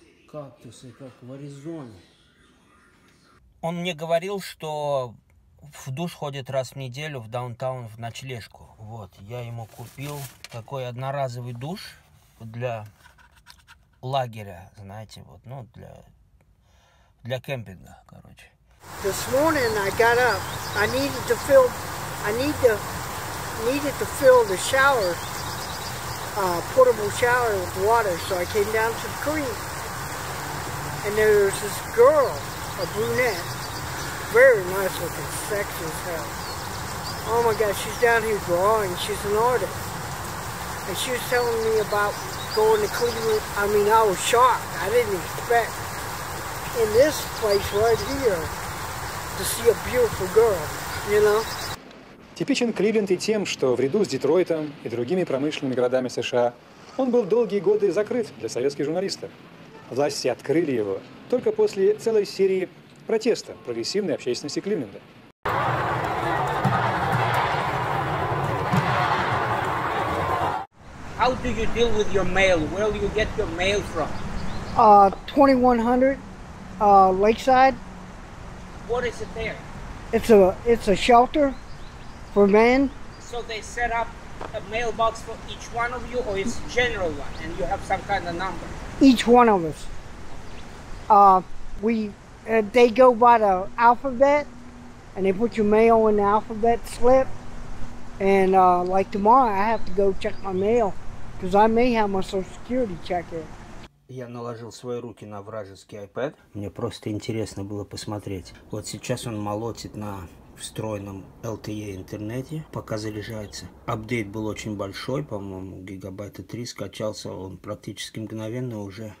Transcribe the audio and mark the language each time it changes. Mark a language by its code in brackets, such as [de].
[ru] Кактусы, как в Аризоне. Он мне говорил, что в душ ходит раз в неделю в даунтаун в ночлежку. Вот, я ему купил такой одноразовый душ для лагеря, знаете, вот, ну, для кемпинга, короче. [en] This morning I got up. I needed to fill the shower, portable shower with water, so I came down to the creek. And there was this girl, a brunette, very nice looking, sexy as hell. Oh my God, she's down here drawing, she's an artist. And she was telling me about going to Cleveland. I mean, I was shocked, I didn't expect in this place right here to see a beautiful girl, you know? [ru] Типичен Кливленд и тем, что в ряду с Детройтом и другими промышленными городами США он был долгие годы закрыт для советских журналистов. Власти открыли его только после целой серии протеста прогрессивной общественности Кливленда. [en] How do you deal with your mail? Where do you get your mail from? 2100 Lakeside. What is it there? It's a shelter for men. So they set up a mailbox for each one of you, or it's a general one and you have some kind of number? Each one of us. They go by the alphabet, and they put your mail in the alphabet slip. And like tomorrow, I have to go check my mail, because I may have my social security check in. [ru] Я наложил свои руки на вражеский iPad. Мне просто интересно было посмотреть. Вот сейчас он молотит на встроенном LTE интернете, пока заряжается. Апдейт был очень большой, по-моему, гигабайта 3. Скачался он практически мгновенно уже.